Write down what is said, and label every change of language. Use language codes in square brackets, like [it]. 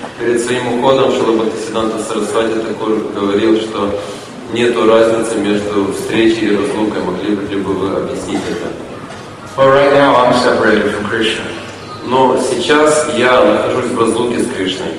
[ru] Перед своим уходом Шрила Бхактисиддханта Сарасвати Такур говорил, что нету разницы между встречей и разлукой. Могли бы вы объяснить это? [en] Well, right now I'm separated from Krishna. [ru] Но сейчас я нахожусь в разлуке с Кришной.